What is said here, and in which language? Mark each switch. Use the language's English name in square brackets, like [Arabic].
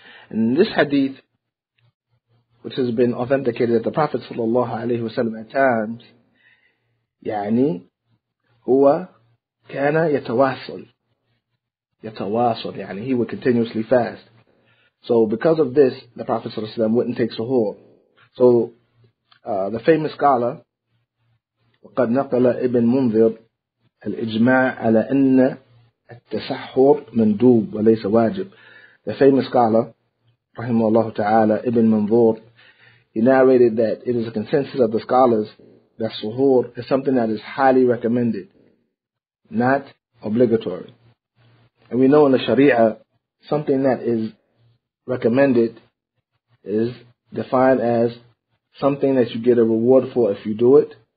[English] And this hadith, which has been authenticated that the Prophet sallallahu alayhi wasallam at times, [Arabic] يعني هو كان يتواصل, يتواصل, يعني [English] he would continuously fast. So because of this, the Prophet sallallahu alayhi wasallam wouldn't take suhoor. So the famous scholar, [Arabic] وقد نقل ابن منذر الإجماع على أن التسحور مندوب وليس واجب. [English] The famous scholar, [Arabic] رحمه الله تعالى, [English] ابن منذور, he narrated that it is a consensus of the scholars that suhoor is something that is highly recommended, not obligatory. And we know in the Sharia, something that is recommended is defined as something that you get a reward for if you do it.